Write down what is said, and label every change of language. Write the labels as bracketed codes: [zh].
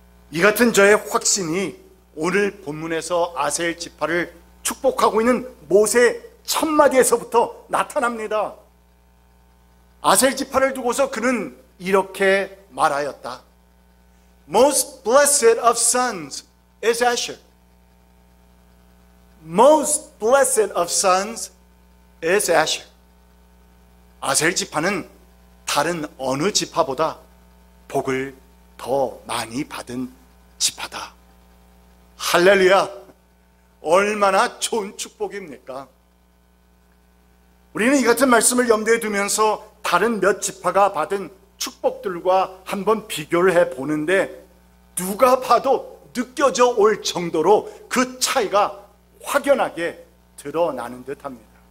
[ko] 이 같은 저의 확신이 오늘 본문에서 아셀 지파를 축복하고 있는 모세의 첫마디에서부터 나타납니다. 아셀 지파를 두고서 그는 이렇게 말하였다. [en] Most blessed of sons is Asher. Most blessed of sons is Asher. [ko] 아셀 지파는 다른 어느 지파보다 복을 더 많이 받은 지파다. 할렐루야! 얼마나 좋은 축복입니까? 우리는 이 같은 말씀을 염두에 두면서 다른 몇 지파가 받은 축복들과 한번 비교를 해보는데 누가 봐도 느껴져 올 정도로 그 차이가 확연하게 드러나는 듯합니다.